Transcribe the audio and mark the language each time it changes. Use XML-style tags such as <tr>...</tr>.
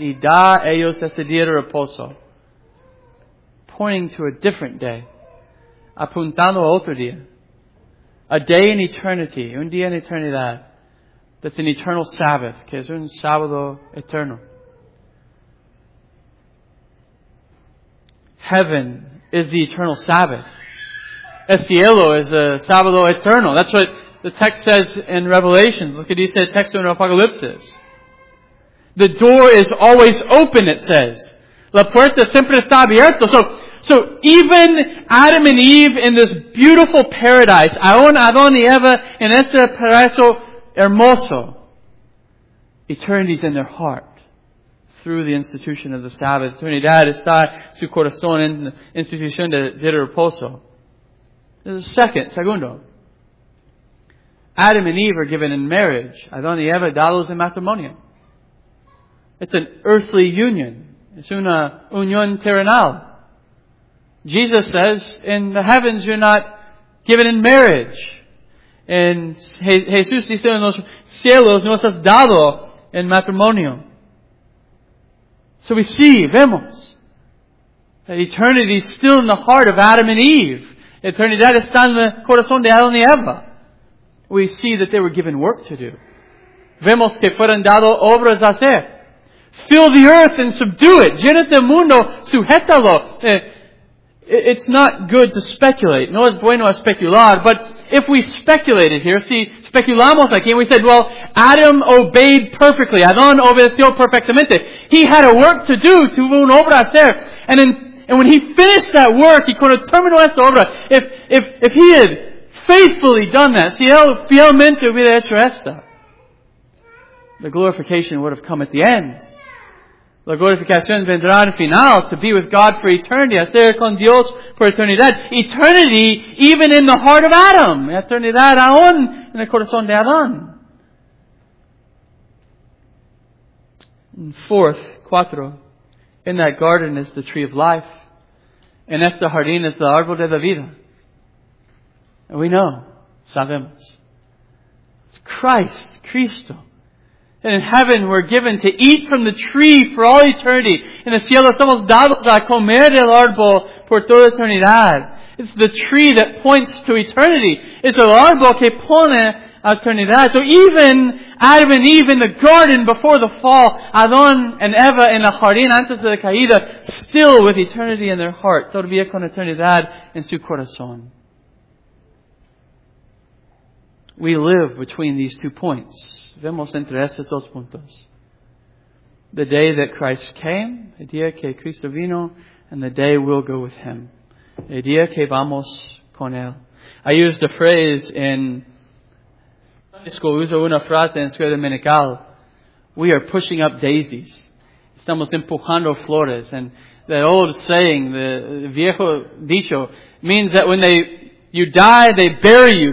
<es>Y da ellos este día de reposo.</es> <en>Pointing to a different day.</en> <es>Apuntando a otro día.</es> <en>A day in eternity.</en> <es>Un día en eternidad.</es> <en>That's an eternal Sabbath.</en> <es>Que es un sábado eterno.</es> <en>Heaven is the eternal Sabbath.</en> <es>El cielo es el sábado eterno.</es> <en>That's what the text says in Revelation. Look at this text in Apocalypse. The door is always open, it says.</en> <es>La puerta siempre está abierta.</es> <en>So even Adam and Eve in this beautiful paradise,</en> <es>aún Adán y Eva en este paraíso hermoso,</es> <en>eternity's in their heart. Through the institution of the Sabbath.</en> <es>Eternidad está su corazón en la institución de reposo.</es> <en>This is a segundo. Adam and Eve are given in marriage.</en> <es>Adán y Eva dados en matrimonio.</es> <en>It's an earthly union.</en> <es>Es una unión terrenal.</es> <en>Jesus says, in the heavens you're not given in marriage.</en> <es>En Jesús dice, en los cielos no estás dado en matrimonio.</es> <en>So we see, vemos, that eternity is still in the heart of Adam and Eve.</en> <es>Eternidad está en el corazón de Adán y Eva.</es> <en>We see that they were given work to do.</en> <es>Vemos que fueron dado obras a hacer.</es> <en>Fill the earth and subdue it.</en> <es>Llena el mundo, sujétalo.</es> <en>It's not good to speculate.</en> <es>No es bueno especular.</es> <en>But if we speculated here,</en> <es>si speculamos aquí,</es> <en>and we said, well, Adam obeyed perfectly.</en> <es>Adán obedeció perfectamente.</es> <en>He had a work to do,</en> <es>tuvo una obra a hacer.</es> <en>And when he finished that work,</en> <es>y cuando terminó esta obra,</es> <en>if he had faithfully done that,</en> <es>si él fielmente hubiera hecho esta,</es> <en>the glorification would have come at the end.</en> <es>La glorificación vendrá al final,</es> <en>to be with God for eternity,</en> <es>a ser con Dios por eternidad.</es> <en>Eternity, even in the heart of Adam.</en> <es>Eternidad aún en el corazón de Adán.</es> <en>And fourth, cuatro, in that garden is the tree of life.</en> <es>En este jardín es el árbol de la vida.</es> <en>And we know, sabemos. It's Christ, Cristo. And in heaven, we're given to eat from the tree for all eternity. In the</en> <es>cielo, somos dados a comer del árbol por toda eternidad.</es> <en>It's the tree that points to eternity.</en> <es>It's el árbol que pone a eternidad.</es> <en>So even Adam and Eve in the garden before the fall, Adán and Eva in the jardín</en> <es>antes de la caída,</es> <en>still with eternity in their heart,</en> <es>todavía con eternidad en su corazón.</es> <en>We live between these two points.</en> <es>Vemos entre estos dos puntos.</es> <en>The day that Christ came,</en> <es>el día que Cristo vino,</es> <en>and the day we'll go with Him.</en> <es>El día que vamos con Él.</es> <en>I used a phrase in Sunday school.</en> <es>Uso una frase en escuela dominical.</es> <en>We are pushing up daisies.</en> <es>Estamos empujando flores.</es> <en>And the old saying, the</en> <es>viejo dicho,</es> <en>means that when you die, they bury you.</en>